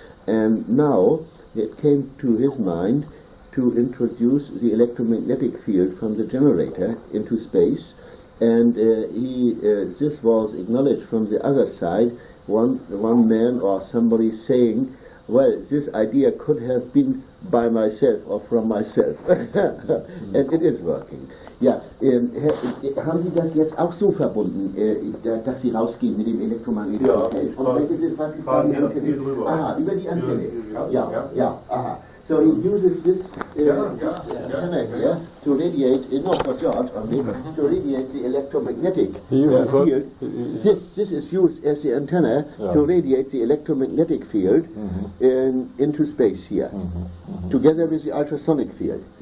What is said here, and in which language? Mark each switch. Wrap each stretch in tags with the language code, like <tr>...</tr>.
<en>And now it came to his mind to introduce the electromagnetic field from the generator into space, and this was acknowledged from the other side, one man or somebody saying, well, this idea could have been by myself or from myself. And it is working.</en> <de>Ja, haben Sie das jetzt auch so verbunden, dass Sie rausgehen mit dem elektromagnetischen Feld? Ja, Feld? Und welches ist, was ist da die Antenne? Aha, über die Antenne. Ja. Aha.</de> <en>So he uses this antenna here to radiate, not for George only, to radiate the electromagnetic field. This is used as the antenna to radiate the electromagnetic field into space here, together with the ultrasonic field.</en>